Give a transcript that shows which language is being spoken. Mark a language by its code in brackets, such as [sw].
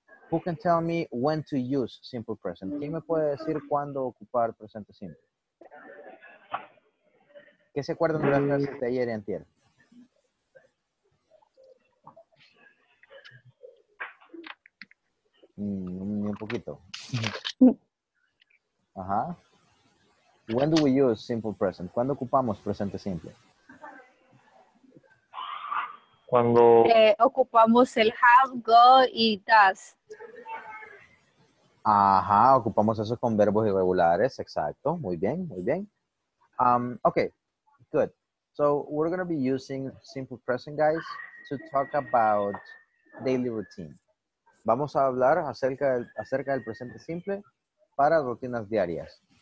[en] Who can tell me when to use simple present? [es] ¿Quién me puede decir cuándo ocupar presente simple? ¿Qué se acuerdan de las clases de ayer y antier? Ni un poquito. [en] Ajá. When do we use simple present? [es] ¿Cuándo ocupamos presente simple? Cuando ocupamos el have, go y does. Ajá, ocupamos eso con verbos irregulares, exacto. Muy bien, muy bien. [en] Okay, good. So we're going to be using simple present, guys, to talk about daily routine. [es] Vamos a hablar acerca del presente simple para rutinas diarias.